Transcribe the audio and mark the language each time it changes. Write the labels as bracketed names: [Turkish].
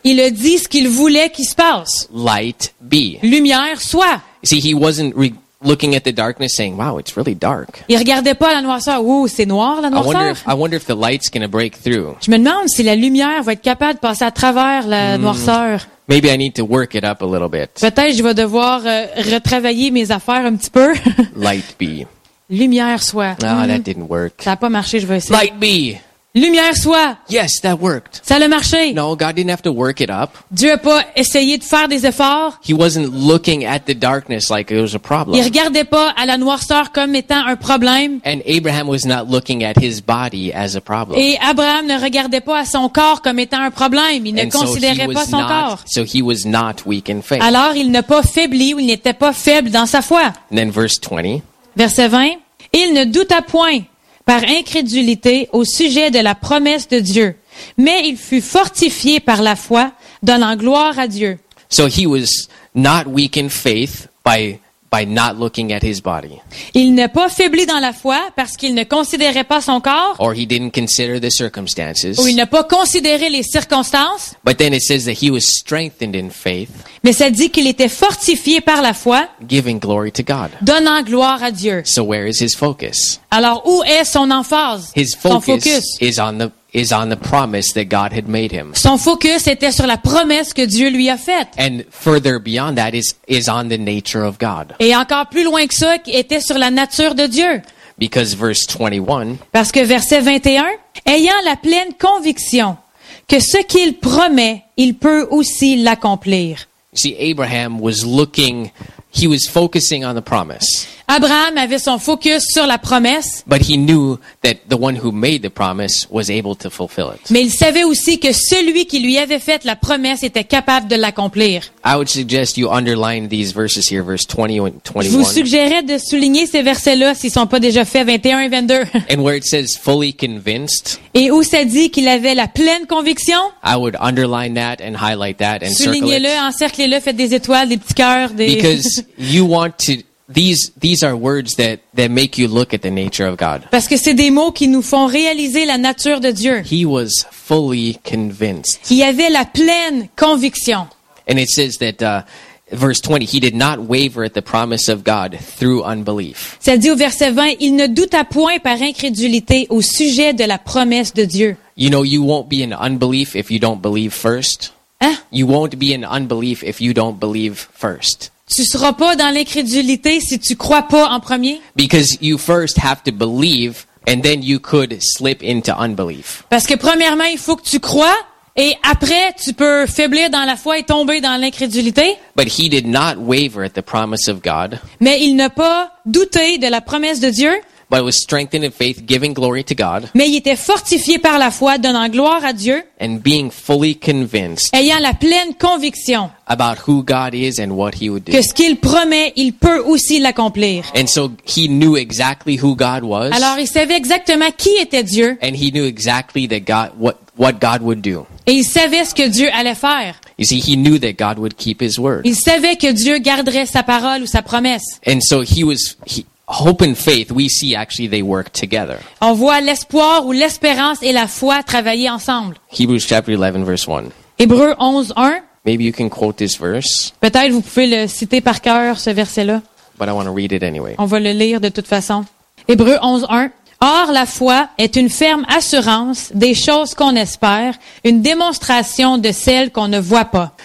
[French] Il a dit ce qu'il voulait qu'il se passe. [English] Light be. [French] Lumière soit. [English] You see, he wasn't looking at the darkness saying, wow, it's really dark. [French] Il regardait pas la noirceur. Ouh, c'est noir la noirceur. [English] I wonder if the light's gonna break through. [French] Je me demande si la lumière va être capable de passer à travers la noirceur. [English] Maybe I need to work it up a little bit. [French] Peut-être je vais devoir retravailler mes affaires un petit peu. [English] Light be. [French] Lumière soit. [English] Ah, oh, that didn't work. [French] Ça a pas marché, je vais essayer. [English] Light be. [French] Lumière soit. [English] Yes, that worked. [French] Ça a marché. [English] No, God didn't have to work it up. [French] Dieu a pas essayé de faire des efforts. [English] He wasn't looking at the darkness like it was a problem. [French] Il regardait pas à la noirceur comme étant un problème. [English] And Abraham was not looking at his body as a problem. [French] Et Abraham ne regardait pas à son corps comme étant un problème. Il ne considérait pas son corps. [English] So he was not weak in faith. [French] Alors il n'a pas faibli ou il n'était pas faible dans sa foi. [English] And then verse 20. [French] Verset 20. Il ne douta point par incrédulité au sujet de la promesse de Dieu. Mais il fut fortifié par la foi, donnant gloire à Dieu. [English] So he was not weak in faith by not looking at his body. [French] Il n'est pas faibli dans la foi parce qu'il ne considérait pas son corps. [English] Or he didn't consider the circumstances. [French] Ou il n'a pas considéré les circonstances. [English] But then it says that he was strengthened in faith. [French] Mais ça dit qu'il était fortifié par la foi. [English] Giving glory to God. [French] Donnant gloire à Dieu. [English] So where is his focus? [French] Alors où est son emphase? [English] His focus is on the promise that God had made him. [French] Son focus était sur la promesse que Dieu lui a faite. [English] And further beyond that is on the nature of God. [French] Et encore plus loin que ça, était sur la nature de Dieu. [English] Because verse 21. [French] Parce que verset 21, ayant la pleine conviction que ce qu'il promet, il peut aussi l'accomplir. [English] See, Abraham was looking. He was focusing on the promise. [French] Abraham avait son focus sur la promesse. [English] But he knew that the one who made the promise was able to fulfill it. [French] Mais il savait aussi que celui qui lui avait fait la promesse était capable de l'accomplir. [English] I would suggest you underline these verses here, verse 20 and 21. [French] Je vous suggérerais de souligner ces versets-là s'ils sont pas déjà faits, 21 et 22. [English] And where it says fully convinced. [French] Et où ça dit qu'il avait la pleine conviction. [English] I would underline that and highlight that and circle it. [French] Soulignez-le, encerclez-le, faites des étoiles, des petits cœurs, des... [English] Because you want to These are words that make you look at the nature of God. [French] Parce que c'est des mots qui nous font réaliser la nature de Dieu. [English] He was fully convinced. [French] Il avait la pleine conviction. [English] And it says that verse 20, he did not waver at the promise of God through unbelief. [French] Ça dit au verset 20, il ne douta point par incrédulité au sujet de la promesse de Dieu. [English] You know, you won't be in unbelief if you don't believe first. [French] Hein? [English] You won't be in unbelief if you don't believe first. [French] Tu ne seras pas dans l'incrédulité si tu ne crois pas en premier. [English] Because you first have to believe, and then you could slip into unbelief. [French] Parce que premièrement, il faut que tu crois, et après, tu peux faiblir dans la foi et tomber dans l'incrédulité. [English] But he did not waver at the promise of God. [French] Mais il n'a pas douté de la promesse de Dieu. [English] But was strengthened in faith, giving glory to God. [French] Mais il était fortifié par la foi, donnant gloire à Dieu. [English] And being fully convinced. [French] Ayant la pleine conviction. [English] About who God is and what he would do. [French] Que ce qu'il promet, il peut aussi l'accomplir. [English] And so he knew exactly who God was. [French] Alors il savait exactement qui était Dieu. [English] And he knew exactly that God what God would do. [French] Et il savait ce que Dieu allait faire. [English] You see, he knew that God would keep his word. [French] Il savait que Dieu garderait sa parole ou sa promesse. [English] And so hope and faith, we see actually they work together. [French] On voit l'espoir ou l'espérance et la foi travailler ensemble. [English] Hebrews chapter 11 verse 1. [French] Hébreux 11 1. [English] Maybe you can quote this verse. [French] Peut-être vous pouvez le citer par cœur ce verset-là. [English] But I want to read it anyway. [French] On va le lire de toute façon. Hébreux 11 1. Or la foi est une ferme assurance des choses qu'on espère, une démonstration de celles qu'on ne voit pas.